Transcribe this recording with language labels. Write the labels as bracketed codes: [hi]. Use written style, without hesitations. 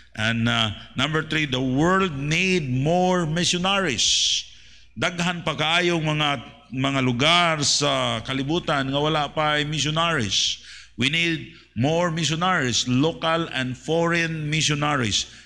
[en] And number three, the world need more missionaries. [ceb] Daghan pa kayong mga lugar sa kalibutan nga wala pa ay missionaries. [en] We need more missionaries, local and foreign missionaries.